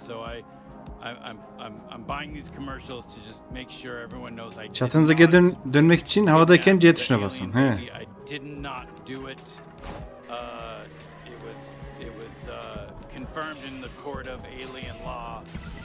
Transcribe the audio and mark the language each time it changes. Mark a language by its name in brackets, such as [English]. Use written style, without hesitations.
[English] So I'm buying these commercials to just make sure everyone knows I did. [Turkish] Çatınıza geri dönmek için havadayken C tuşuna basın. He. [English] I did not do it. It was confirmed in the court of alien law.